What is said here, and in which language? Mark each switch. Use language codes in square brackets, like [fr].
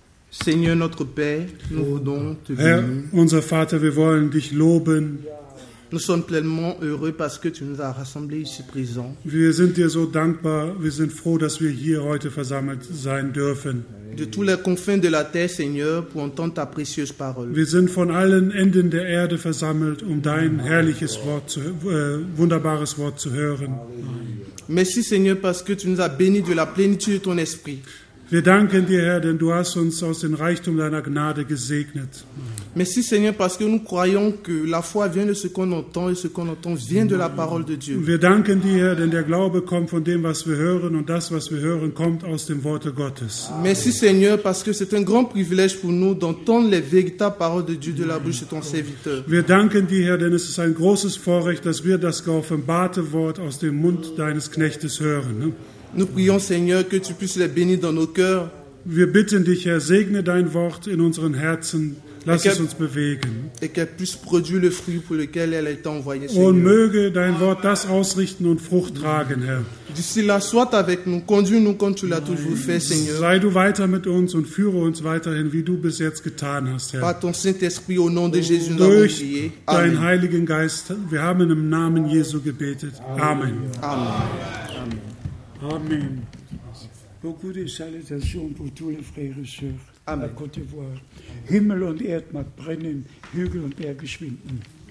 [fr] Seigneur notre Père, nous voulons te bénir. [de] Herr, unser Vater, wir wollen dich loben. [fr] Nous sommes pleinement heureux parce que tu nous as rassemblés ici présents. [de] Wir sind dir so dankbar, wir sind froh, dass wir hier heute versammelt sein dürfen. [fr] De tous les confins de la terre, Seigneur, pour entendre ta précieuse parole. [de] Wir sind von allen Enden der Erde versammelt, um dein herrliches Wort, zu, wunderbares Wort zu hören. [fr] Merci, Seigneur, parce que tu nous as bénis de la plénitude de ton esprit. [de] Wir danken dir, Herr, denn du hast uns aus dem Reichtum deiner Gnade gesegnet. [fr] Merci, Seigneur, parce que nous croyons que la foi vient de ce qu'on entend et ce qu'on entend vient de la parole de Dieu. [de] Wir danken dir, Herr, denn der Glaube kommt von dem, was wir hören, und das, was wir hören, kommt aus dem Wort Gottes. [fr] Merci, Seigneur, parce que c'est un grand privilège pour nous d'entendre les véritables paroles de Dieu de la bouche de ton serviteur. [de] Wir danken dir, Herr, denn es ist ein großes Vorrecht, dass wir das geoffenbarte Wort aus dem Mund deines Knechtes hören. [fr] Nous prions, Seigneur, que tu puisses les bénir dans nos cœurs. [de] Wir bitten dich, Herr, segne dein Wort in unseren Herzen. Lass es uns bewegen. [fr] Et qu'elle puisse produire le fruit pour lequel elle a été envoyée, Seigneur. [de] Und möge dein Wort das ausrichten und Frucht tragen, Herr. [fr] D'ici là, sois avec nous. Conduis-nous comme tu l'as toujours fait, Seigneur. [de] Sei du weiter mit uns und führe uns weiterhin, wie du bis jetzt getan hast, Herr. [fr] Par ton Saint-Esprit, au nom de Jésus, [de] durch deinen Heiligen Geist. Wir haben im Namen Jesu gebetet. Amen. Amen. Amen. [fr] Beaucoup de salutations pour tous les frères et sœurs à Côte d'Ivoire. [de] Himmel und Erd mag brennen, Hügel und Berge schwinden.